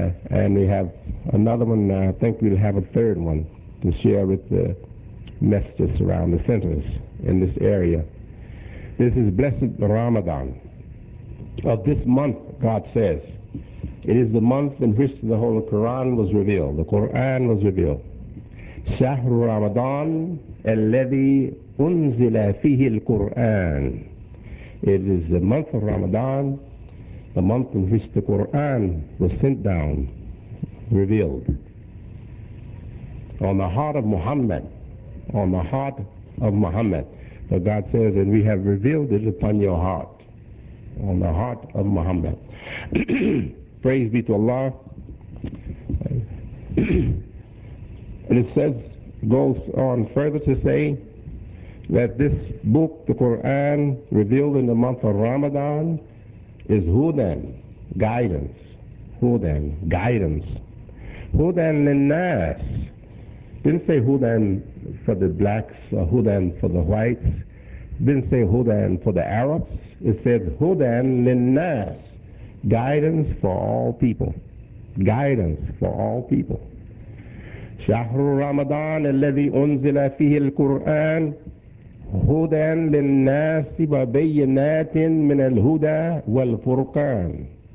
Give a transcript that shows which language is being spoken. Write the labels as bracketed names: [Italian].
[English] And we have another one, I think we'll have a third one to share with the messages around the centers in this area. This is blessed Ramadan. Of this month, God says, it is the month in which the Holy Quran was revealed. The Quran was revealed. [Arabic] شهر رمضان الذي أنزل فيه القرآن. [English] It is the month of Ramadan, the month in which the Quran was sent down, revealed. On the heart of Muhammad, on the heart of Muhammad. So God says, and we have revealed it upon your heart, on the heart of Muhammad. Praise be to Allah. And it says, goes on further to say that this book, the Quran, revealed in the month of Ramadan, is hudan, guidance. Hudan, guidance. Hudan linnas. Didn't say hudan for the blacks or hudan for the whites. Didn't say hudan for the Arabs. It said hudan linnas. Guidance for all people. Guidance for all people. [Arabic] شهر رمضان الذي أنزل فيه القرآن هدى للناس وبينات من الهدى والفرقان.